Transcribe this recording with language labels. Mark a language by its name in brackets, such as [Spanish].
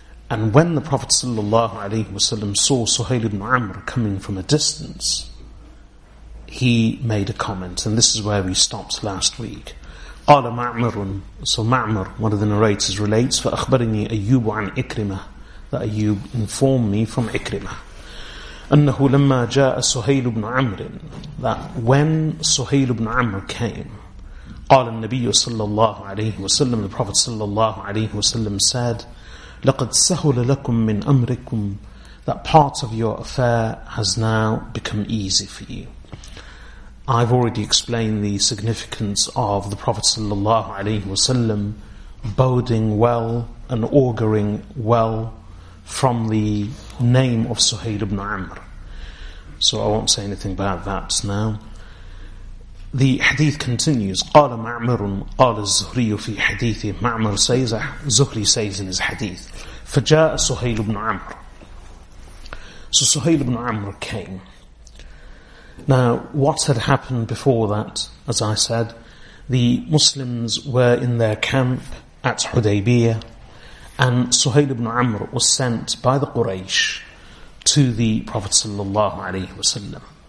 [English] And when the Prophet sallallahu alaihi wasallam saw Suhail ibn Amr coming from a distance, he made a comment, and this is where we stopped last week. [Arabic] قال معمر, [English] so Ma'mar, one of the narrators, relates, [Arabic] فأخبرني أيوب عن إكرمة, [English] that Ayyub informed me from إكرمة. [Arabic] أنه لما جاء سهيل بن عمر, [English] that when [Arabic] سهيل بن عمر [English] came, [Arabic] قال النبي صلى الله عليه وسلم, [English] the Prophet [Arabic] صلى الله عليه وسلم [English] said, [Arabic] لقد سهل لكم من أمركم, [English] that part of your affair has now become easy for you. I've already explained the significance of the Prophet صلى الله عليه وسلم boding well and auguring well from the name of Suhail ibn Amr. So I won't say anything about that now. The hadith continues. [Arabic] قال معمر قال الزهري في حديثه. [English] معمر says, Zuhri says in his hadith, [Arabic] فجاء [English] Suhail ibn Amr. So Suhail ibn Amr came. Now, what had happened before that, as I said, the Muslims were in their camp at Hudaybiyah, and Suhail ibn Amr was sent by the Quraysh to the Prophet sallallahu alaihi wasallam.